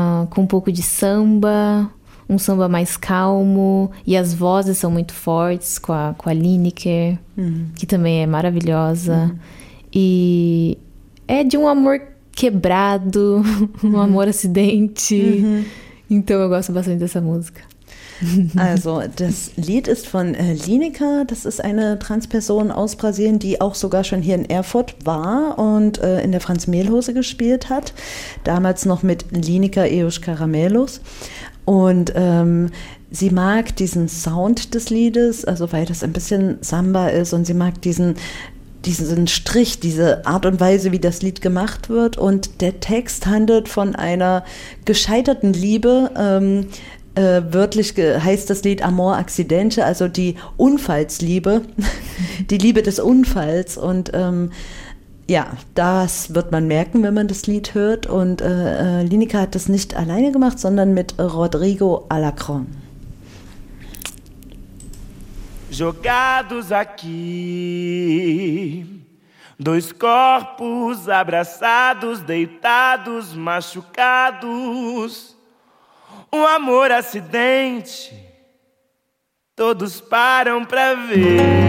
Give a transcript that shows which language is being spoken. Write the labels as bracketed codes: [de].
[pt] Com um pouco de samba, um samba mais calmo, e as vozes são muito fortes com a Lineker, que também é maravilhosa. E é de um amor quebrado, um amor acidente. Então eu gosto bastante dessa música. [de] Also das Lied ist von Lineka. Das ist eine Transperson aus Brasilien, die auch sogar schon hier in Erfurt war und in der Franz Mehlhose gespielt hat. Damals noch mit Lineka Eos Caramelos. Und sie mag diesen Sound des Liedes, also weil das ein bisschen Samba ist, und sie mag diesen Strich, diese Art und Weise, wie das Lied gemacht wird. Und der Text handelt von einer gescheiterten Liebe. Wörtlich heißt das Lied Amor Accidente, also die Unfallsliebe, die Liebe des Unfalls. Und ja, das wird man merken, wenn man das Lied hört. Und Lineka hat das nicht alleine gemacht, sondern mit Rodrigo Alacrón. [pt] Jogados aqui, dois corpos abraçados, deitados, machucados, um amor acidente, todos param pra ver.